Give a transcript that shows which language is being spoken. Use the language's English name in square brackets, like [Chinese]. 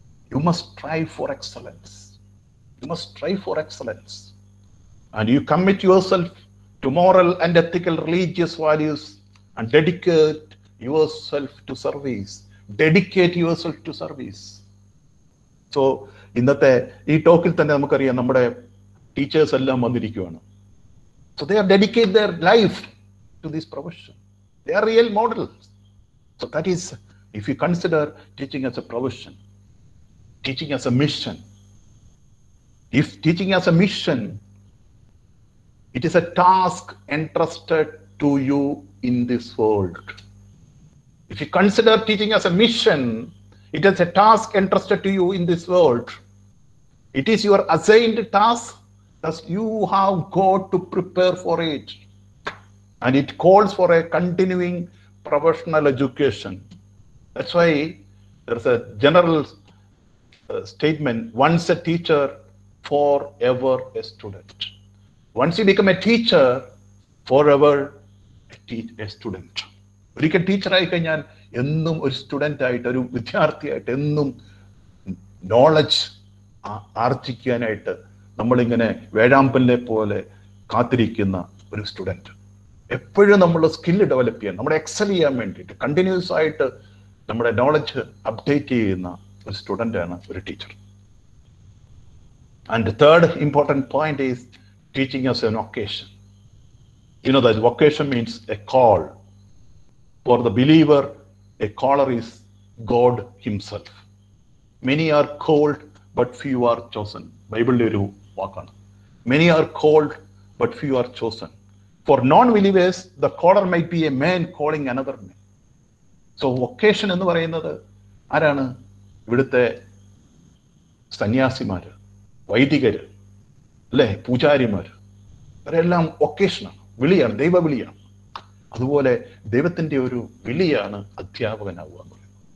[English] You must strive for excellence. You must strive for excellence. And you commit yourself to moral and ethical religious values and dedicate yourself to service. Dedicate yourself to service. [Malayalam] So, ഇന്നത്തെ ഈ ടോക്കിൽ തന്നെ നമുക്കറിയാം നമ്മുടെ teachers എല്ലാം വന്നിരിക്കുകയാണ്. [English] So they have dedicated their life to this profession. They are real models. So that is, if you consider teaching as a profession, teaching as a mission. If teaching as a mission, it is a task entrusted to you in this world. If you consider teaching as a mission, it is a task entrusted to you in this world. It is your assigned task, thus you have got to prepare for it. And it calls for a continuing professional education. That's why there's a general statement, once a teacher, forever a student. Once you become a teacher, forever a student. [Malayalam] ഒരിക്കൽ ടീച്ചറായി കഴിഞ്ഞാൽ എന്നും ഒരു student ആയിട്ട്, ഒരു വിദ്യാർത്ഥിയായിട്ട് എന്നും knowledge ആർജിക്കാനായിട്ട് നമ്മളിങ്ങനെ വേഴാമ്പലിനെ പോലെ കാത്തിരിക്കുന്ന ഒരു സ്റ്റുഡൻ്റ്. എപ്പോഴും നമ്മളുടെ സ്കില്ല് ഡെവലപ്പ് ചെയ്യാൻ, നമ്മളെ എക്സൽ ചെയ്യാൻ വേണ്ടിയിട്ട് കണ്ടിന്യൂസ് ആയിട്ട് നമ്മുടെ നോളജ് അപ്ഡേറ്റ് ചെയ്യുന്ന ഒരു സ്റ്റുഡൻ്റാണ് ഒരു teacher. [English] And the third important point is teaching as an occasion. You know that vocation means a call. For the believer, a caller is God himself. Many are called, but few are chosen. [Malayalam] Bible-ile oru vaakkaan. [English] Many are called, but few are chosen. For non-believers, the caller might be a man calling another man. [Malayalam] So vocation ennu parayunnathu aarana ividathe sanyasimaru, വൈദികര് അല്ലേ, പൂജാരിമാർ, അവരെല്ലാം വൊക്കേഷനാണ്, വിളിയാണ്, ദൈവ വിളിയാണ്. അതുപോലെ ദൈവത്തിൻ്റെ ഒരു വിളിയാണ് അധ്യാപകനാവുക എന്ന് പറയുന്നത്.